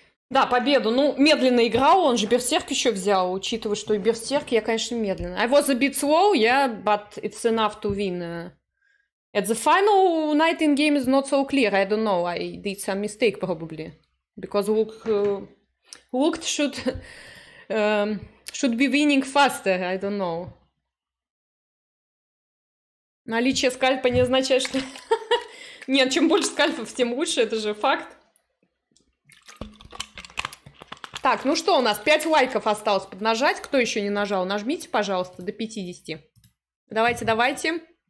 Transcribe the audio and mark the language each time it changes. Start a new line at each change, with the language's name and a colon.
Russian: Да, победу. Ну, медленно играл, он же берсерк еще взял, учитывая, что и берсерк, я, конечно, медленно.
English: I was a bit slow, yeah, but it's enough to win. At the final, night in game is not so clear, I don't know, I did some mistake probably. Because looked should be winning faster, I don't know.
Russian: Наличие скальпа не означает, что... Нет, чем больше скальпов, тем лучше, это же факт. Так, ну что у нас? 5 лайков осталось поднажать. Кто еще не нажал, нажмите, пожалуйста, до 50. Давайте.